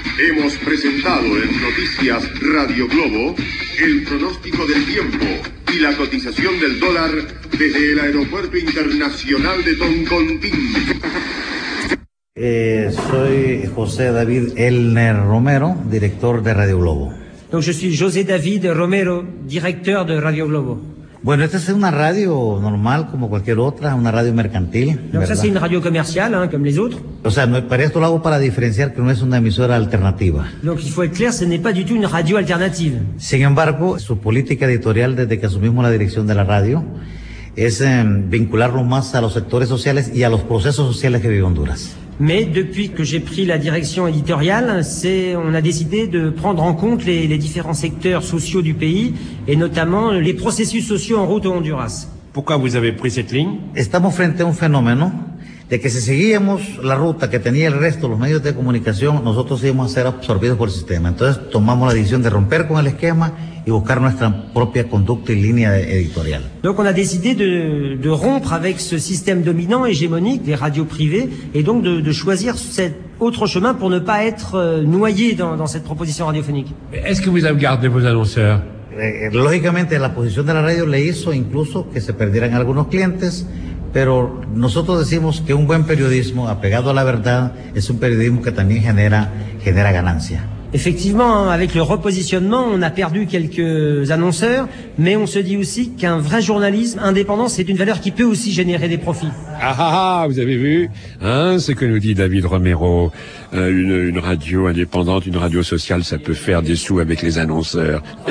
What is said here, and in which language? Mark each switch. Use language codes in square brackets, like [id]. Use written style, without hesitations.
[es] Hemos presentado en Noticias Radio Globo el pronóstico del tiempo y y la cotización del dólar desde el Aeropuerto Internacional de Toncontín. Soy José David Elner Romero, director de Radio Globo. [fr] Donc je suis José David Romero, directeur de Radio Globo. [es] Bueno, esta es una radio normal como cualquier otra, una radio mercantil. No, esa es una radio comercial, [fr] hein, comme les autres. [es] O sea, no, para esto lo hago para diferenciar que no es una emisora alternativa. [fr] Donc il faut être clair, ce n'est pas du tout une radio alternative. [es] Sin embargo, su política editorial desde que asumimos la dirección de la radio es vincularlo más a los sectores sociales y a los procesos sociales que vive Honduras. [fr] Mais depuis que j'ai pris la direction éditoriale, on a décidé de prendre en compte les différents secteurs sociaux du pays et notamment les processus sociaux en route au Honduras. Pourquoi vous avez pris cette ligne? [es] Estamos frente a un fenómeno de que si seguíamos la ruta que tenía el resto de los medios de comunicación, nosotros íbamos a ser absorbidos por el sistema. Entonces tomamos la decisión de romper con el esquema y buscar nuestra propia conducta y línea editorial. [fr] Donc on a décidé de rompre avec ce système dominant hégémonique des radios privées et donc de choisir cet autre chemin pour ne pas être noyé dans cette proposition radiophonique. Mais est-ce que vous avez gardé vos annonceurs? [es] Lógicamente la posición de la radio le hizo incluso que se perdieran algunos clientes, pero nosotros decimos que un buen periodismo apegado a la verdad es un periodismo que también genera ganancia. [fr] Effectivement, avec le repositionnement, on a perdu quelques annonceurs, mais on se dit aussi qu'un vrai journalisme indépendant, c'est une valeur qui peut aussi générer des profits. Ah ah ah, vous avez vu, hein, ce que nous dit David Romero, une radio indépendante, une radio sociale, ça peut faire des sous avec les annonceurs.